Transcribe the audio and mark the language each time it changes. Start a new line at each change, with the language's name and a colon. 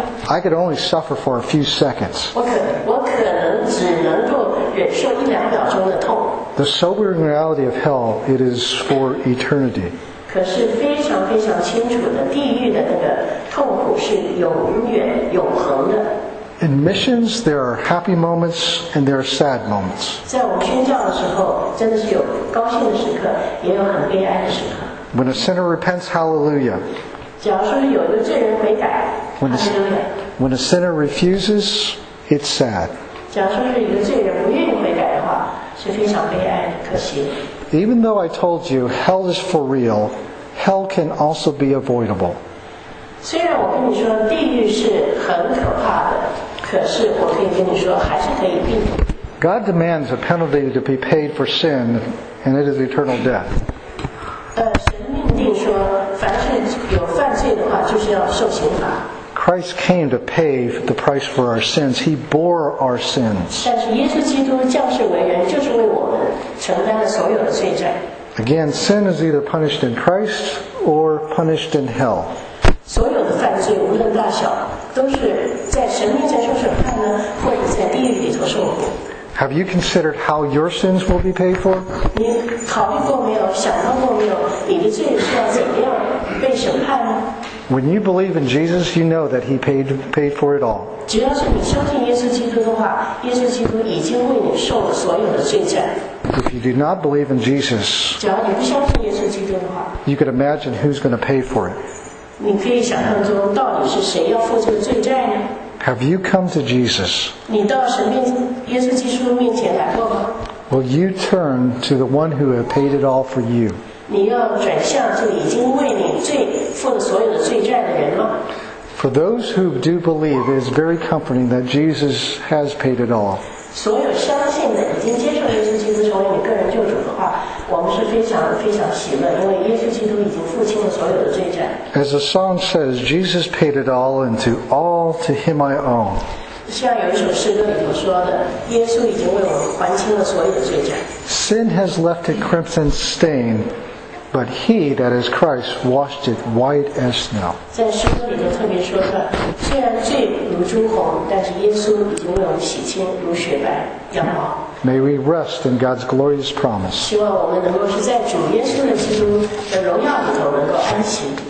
English: I could only suffer for a few seconds. The sobering reality of hell, it is for eternity.
Chinese: 非常清楚的，地狱的那个痛苦是永远永恒的。
English: In missions, there are happy moments and there are sad moments.
Chinese: 在我们宣教的时候，真的是有高兴的时刻，也有很悲哀的时刻。
English: When a sinner repents, hallelujah.
Chinese: 假如说有一个罪人悔改，
English: When a sinner refuses, it's sad.
Chinese: 假如说有一个罪人不愿意悔改的话，是非常悲哀的，可惜。
English: Even though I told you hell is for real, hell can also be avoidable.
Chinese: 虽然我跟你说地狱是很可怕的，可是我可以跟你说还是可以避免。
English: God demands a penalty to be paid for sin, and it is eternal death.
Chinese: 神命定说，凡是有犯罪的话，就是要受刑罚。
English: Christ came to pay the price for our sins. He bore our sins.
Chinese: 但是耶稣基督降世为人，就是为我们承担了所有的罪债。
English: Again, sin is either punished in Christ or punished in hell.
Chinese: 所有的犯罪，无论大小，都是在神面前受审判呢，或者在地狱里头受苦。
English: Have you considered how your sins will be paid for?
Chinese: 你考虑过没有？想到过没有？你的罪是要怎样被审判呢？
English: When you believe in Jesus, you know that He paid for it all.
Chinese: 只要是你相信耶稣基督的话，耶稣基督已经为你受了所有的罪债。
English: If you do not believe in Jesus,
Chinese: 假如你不相信耶稣基督的话，
English: you can imagine who's going to pay for it.
Chinese: 你可以想象中到底是谁要付这个罪债呢？
English: Have you come to Jesus?
Chinese: 你到神面耶稣基督面前来过吗？
English: Will you turn to the one who has paid it all for you?
Chinese: 你要转向就已经为你罪付了所有的罪债的人吗？
English: For those who do believe, it is very comforting that Jesus has paid it all.
Chinese: 所有相信的已经接受耶稣基督成为你个人救主的话，我们是非常非常喜乐，因为耶稣基督已经付清了所有的罪债。
English: As the song says, Jesus paid it all, and to all to Him I owe.
Chinese: 像有一首诗歌里头说的，耶稣已经为我还清了所有的罪债。
English: Sin has left a crimson stain, but He, that is Christ, washed it white as snow.
Chinese: 在诗歌里头特别说的，虽然罪如朱红，但是耶稣已经为我们洗清如雪白羊毛。
English: May we rest in God's glorious promise.
Chinese: 希望我们能够是在主耶稣的基督的荣耀里头能够安息。